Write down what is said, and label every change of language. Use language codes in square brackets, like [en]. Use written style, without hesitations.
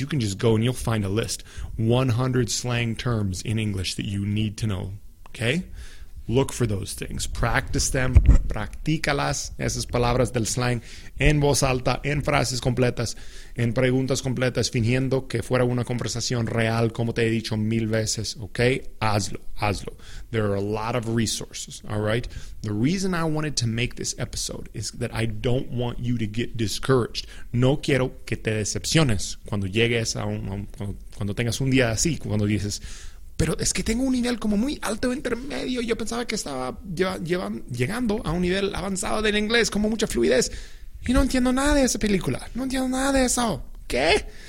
[en] You can just go and you'll find a list. 100 slang terms in English that you need to know. Ok. Look for those things. Practice them. [es] Practícalas, esas palabras del slang, en voz alta, en frases completas, en preguntas completas, fingiendo que fuera una conversación real, como te he dicho mil veces, ¿ok? Hazlo. [en] There are a lot of resources, all right? The reason I wanted to make this episode is that I don't want you to get discouraged. [es] No quiero que te decepciones cuando llegues a un... cuando tengas un día así, cuando dices... Pero es que tengo un nivel como muy alto, intermedio. Yo pensaba que estaba llegando a un nivel avanzado del inglés, como mucha fluidez. Y no entiendo nada de esa película. No entiendo nada de eso. ¿Qué?